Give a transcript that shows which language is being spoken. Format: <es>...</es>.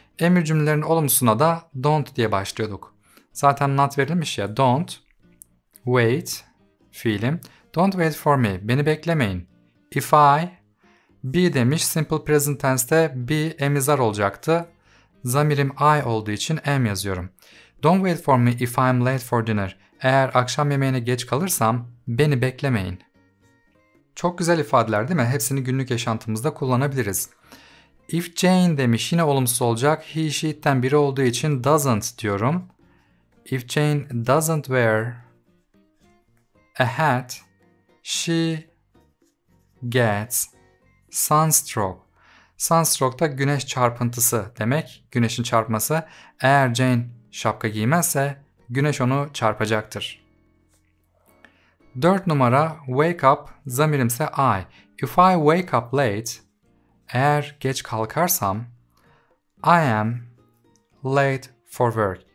<tr>Emir cümlelerin olumsuzuna da don't diye başlıyorduk. Zaten not verilmiş ya. Don't wait fiilim.</tr> <en>Don't wait for me.</en> <tr>Beni beklemeyin. If I be demiş. Simple present tense'te be emizar olacaktı. Zamirim I olduğu için am yazıyorum.</tr> <en>Don't wait for me if I'm late for dinner.</en> <tr>Eğer akşam yemeğine geç kalırsam beni beklemeyin. Çok güzel ifadeler değil mi? Hepsini günlük yaşantımızda kullanabiliriz. If Jane demiş yine olumsuz olacak. He, she, it'ten biri olduğu için doesn't diyorum.</tr> <en>If Jane doesn't wear a hat, she gets sunstroke.</en> <tr>Sunstroke da güneş çarpıntısı demek. Güneşin çarpması. Eğer Jane şapka giymezse güneş onu çarpacaktır. 4 numara</tr> <en>wake up,</en> <tr>zamirimse</tr> <en>I. If I wake up late,</en> <tr>eğer geç kalkarsam,</tr> <en>I am late for work.</en>